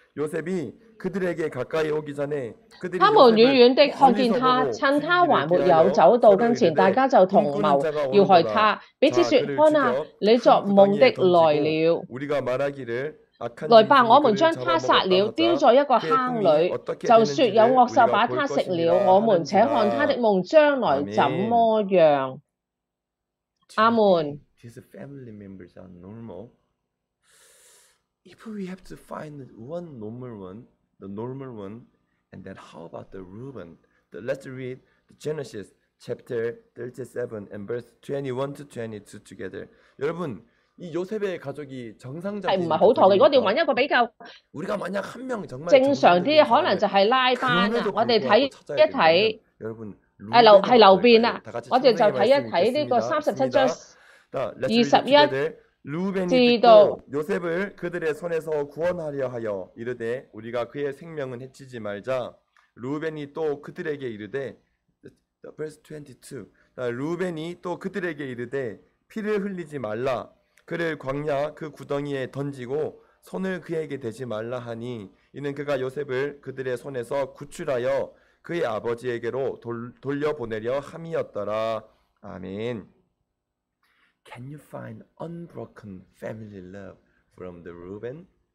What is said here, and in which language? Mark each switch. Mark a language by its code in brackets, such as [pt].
[ko] 요셉이 그들에게 가까이 오기 전에 그들이 [zh] 他们远远地看见他，趁他还没有走到跟前，大家就同谋要害他，彼此说：看啊，你作梦的来了。 [ko] 우리가 말하기를 [zh] 来吧，我们将他杀了，丢在一个坑里，就说有恶兽把他食了。我们且看他的梦将来怎么样。阿门。 [en] His family members are normal. If we have to find one normal one, the normal one, and then how about the Reuben? Let's read the Genesis chapter 37 and verse 21 to 22 together. [ko] 여러분, 이 요셉의 가족이 정상적인 가족입니까? 우리가 만약 한 명 정말 정상적인 가족, [zh] 可能就是拉班啊, 我们看一看, [ko] 여러분, [zh] 是流变啊, 我们就看一看这个37章21. [ko] 루벤이 듣고 요셉을 그들의 손에서 구원하려 하여 이르되 우리가 그의 생명은 해치지 말자. 루벤이 또 그들에게 이르되 [en] verse 22. [ko] 루벤이 또 그들에게 이르되 피를 흘리지 말라. 그를 광야 그 구덩이에 던지고 손을 그에게 대지 말라 하니 이는 그가 요셉을 그들의 손에서 구출하여 그의 아버지에게로 돌려보내려 함이었더라. 아멘. [en] Can you find unbroken family love from the Reuben?